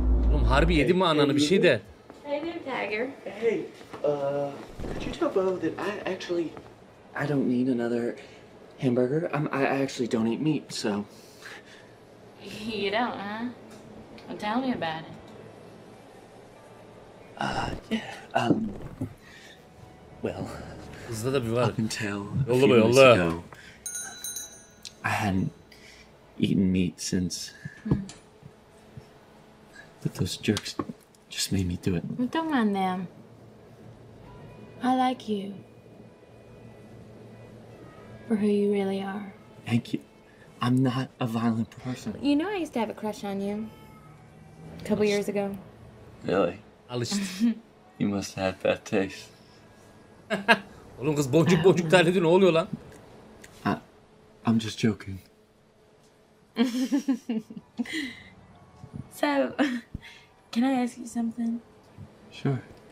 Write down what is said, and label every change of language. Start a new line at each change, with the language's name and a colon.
Turkish: Oğlum harbi yedi mi ananı bir şey de.
English: Hey there, Tiger. Hey. Could you tell Bo that I don't need another hamburger. I actually don't eat meat, so. You don't, huh? Well, tell me about it. Well. Is that a bit weird? Up until a few months ago, I hadn't eaten meat since. But those jerks just made me do it. Don't mind them. I like you for who you really are. Thank you. I'm not a violent person. You know I used to have a crush on you a couple years ago. Really?
Turkish: Alıştı.
English: You must have had bad taste.
Turkish: Oğlum kız boncuk boncuk terledi ne oluyor lan?
English: I'm just joking. So, can I ask you something? Sure.